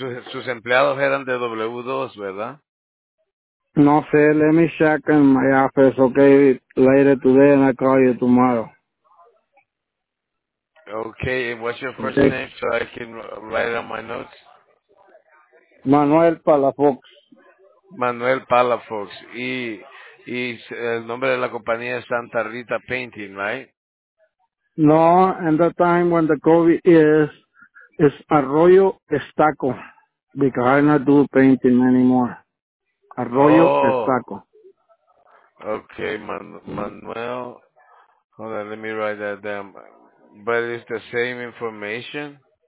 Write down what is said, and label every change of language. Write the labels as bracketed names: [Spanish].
[Spanish] Sus empleados eran de W-2, ¿verdad? No sé. [English] Let me check in my office, okay? Later today and I call you tomorrow. Okay. What's your first okay. name so I can write on my notes? Manuel Palafox. Manuel Palafox. [Spanish] Y el nombre de la compañía es Santa Rita Painting, [English] right? No, and the time when the COVID is... It's Arroyo Estaco, because I not do painting anymore. Arroyo Estaco. Okay, Manuel. Hold on, let me write that down. But it's the same information?